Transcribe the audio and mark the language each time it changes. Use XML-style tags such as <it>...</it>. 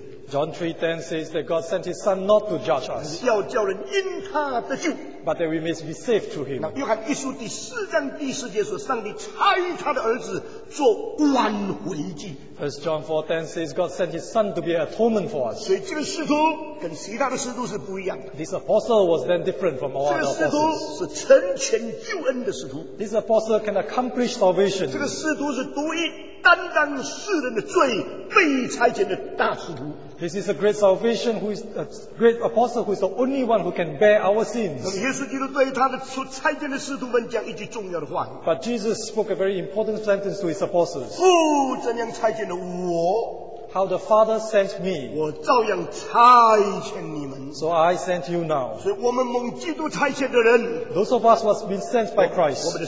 <en>John 3:10 says that God sent his son not to judge us,</en> <zh>要叫人因他得救,</zh> <en>but that we may be saved through him.</en> <zh>约翰一书第四章第十节说上帝差他的儿子做挽回祭。</zh> <en>First John 4:10 says God sent his son to be an atonement for us.</en> <zh>所以这个使徒跟其他的使徒是不一样的。</zh> <en>This apostle was then different from all other apostles.</en> <zh>这个使徒是成全救恩的使徒。</zh> <en>This apostle can accomplish salvation.</en> <zh>这个使徒是独一 担当世人的罪，被差遣的大使徒。</zh> <en>This is a great salvation, who is a great apostle, who is the only one who can bear our sins.</en> <zh>耶稣基督对他的差遣的使徒们讲一句重要的话。</zh> <en>But Jesus spoke a very important sentence to his apostles.</en> <zh>父怎样差遣了我？</zh> <en>How the Father sent me.</en> <zh>我照样差遣你们。</zh> <en>So I sent you now.</en> <zh>所以我们蒙基督差遣的人,</zh> <en>those of us who have been sent by Christ,</en>